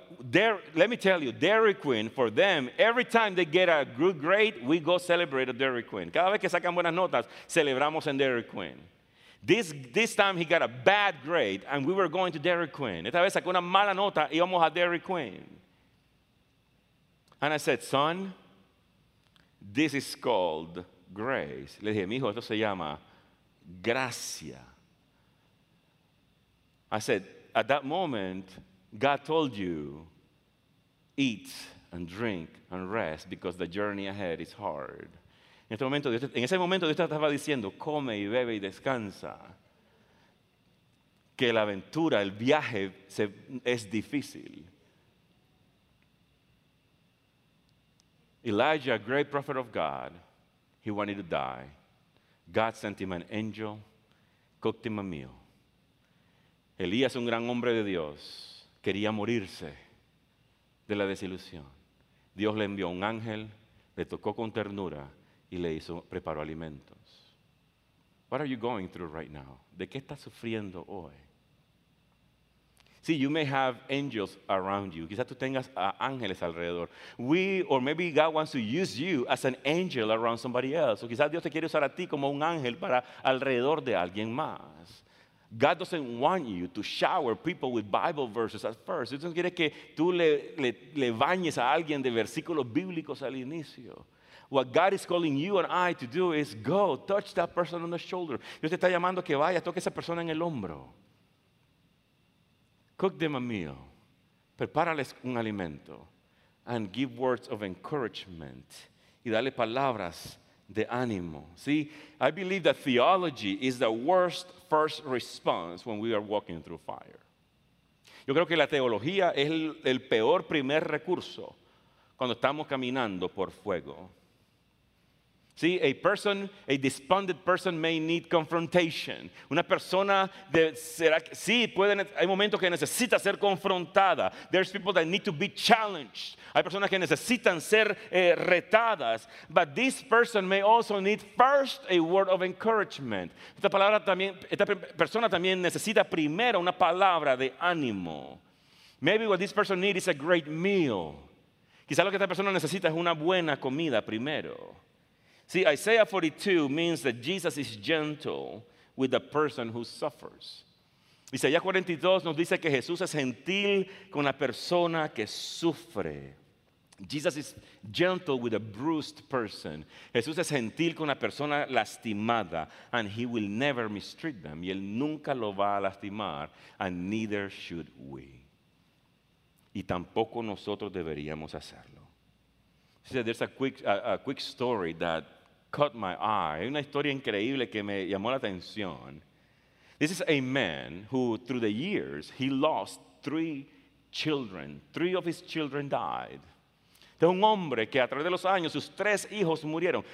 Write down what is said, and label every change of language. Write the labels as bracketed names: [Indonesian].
[English] Let me tell you, Dairy Queen, for them, every time they get a good grade, we go celebrate at Dairy Queen. [Spanish] Cada vez que sacan buenas notas, celebramos en Dairy Queen. [English] This time he got a bad grade and we were going to Dairy Queen. [Spanish] Esta vez sacó una mala nota y íbamos a Dairy Queen. [English] And I said, son, this is called grace. [Spanish] Le dije, mijo, esto se llama gracia. [English] I said, at that moment, God told you, eat and drink and rest because the journey ahead is hard. [Spanish] En ese momento Dios estaba diciendo, come y bebe y descansa, que la aventura, el viaje es difícil. [English] Elijah, great prophet of God, he wanted to die. God sent him an angel, cooked him a meal. [Spanish] Elías, un gran hombre de Dios, quería morirse de la desilusión. Dios le envió un ángel, le tocó con ternura, y le hizo, preparó alimentos. [English] What are you going through right now? [Spanish] ¿De qué estás sufriendo hoy? [English] See, you may have angels around you. [Spanish] Quizás tú tengas ángeles alrededor. [English] Maybe God wants to use you as an angel around somebody else. [Spanish] O quizás Dios te quiere usar a ti como un ángel para alrededor de alguien más. [English] God doesn't want you to shower people with Bible verses at first. [Spanish] Dios no quiere que tú le bañes a alguien de versículos bíblicos al inicio. [English] what God is calling you and I to do is go, touch that person on the shoulder. [Spanish] Dios te está llamando a que vaya, toque a esa persona en el hombro. [English] Cook them a meal. [Spanish] Prepárales un alimento. [English] And give words of encouragement. [Spanish] Y dale palabras de ánimo. [English] See, I believe that theology is the worst first response when we are walking through fire. [Spanish] Yo creo que la teología es el peor primer recurso cuando estamos caminando por fuego. [English] See, a despondent person may need confrontation. [Spanish] Una persona, hay momentos que necesita ser confrontada. [English] There's people that need to be challenged. [Spanish] Hay personas que necesitan ser retadas. [English] But this person may also need first a word of encouragement. [Spanish] Esta persona también necesita primero una palabra de ánimo. [English] Maybe what this person needs is a great meal. [Spanish] Quizá lo que esta persona necesita es una buena comida primero. [English] See, Isaiah 42 means that Jesus is gentle with the person who suffers. [Spanish] Isaías 42 nos dice que Jesús es gentil con la persona que sufre. [English] Jesus is gentle with a bruised person. [Spanish] Jesús es gentil con la persona lastimada, [English] and he will never mistreat them. [Spanish] Y él nunca lo va a lastimar, [English] and neither should we. [Spanish] Y tampoco nosotros deberíamos hacerlo. [English] See, there's a quick story that caught my eye. [Spanish] Una historia increíble que me llamó la atención. [English] This is a man who, through the years, he lost three children. Three of his children died. [Spanish] Es un hombre que a través de los años sus tres hijos murieron.